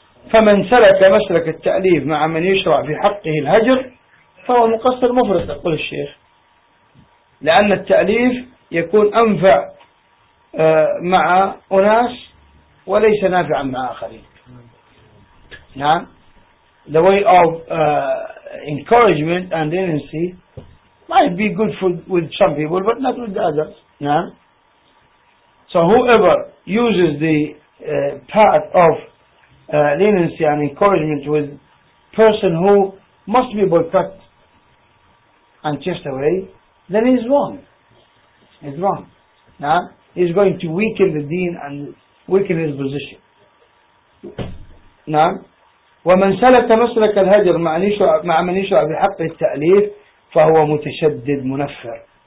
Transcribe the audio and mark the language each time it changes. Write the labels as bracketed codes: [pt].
[ar] فمن سلك مسلك التأليف مع من يشرع في حقه الهجر فهو مقصر مفرط، يقول الشيخ، لأن التأليف يكون أنفع مع أناس وليس نافعا مع آخرين. نعم. [en] The way of encouragement and leniency might be good for with some people but not with the others. [ar] نعم. [en] So whoever uses the path of leniency and encouragement with person who must be boycotted and chased away, then he's wrong. He's wrong. Now he's going to weaken the deen and weaken his position. [ar] Now, ومن سلك مسلك الهجر مع من يشرع بحق التأليف فهو متشدد منفر.